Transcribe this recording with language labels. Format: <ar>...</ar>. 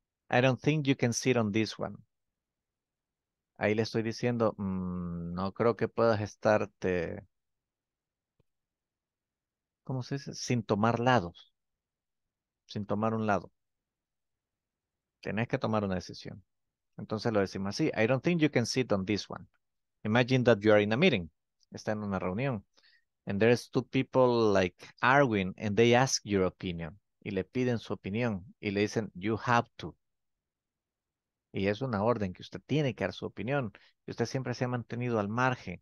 <en>I don't think you can sit on this one.</en> <es>Ahí le estoy diciendo, no creo que puedas estarte, ¿cómo se dice? Sin tomar lados. Sin tomar un lado. Tenés que tomar una decisión. Entonces lo decimos así.</es> <en>I don't think you can sit on this one. Imagine that you are in a meeting.</en> <es>Está en una reunión.</es> <en>And there's two people like arguing and they ask your opinion.</en> <es>Y le piden su opinión. Y le dicen,</es> <en>you have to.</en> <es>Y es una orden que usted tiene que dar su opinión. Y usted siempre se ha mantenido al margen.</es>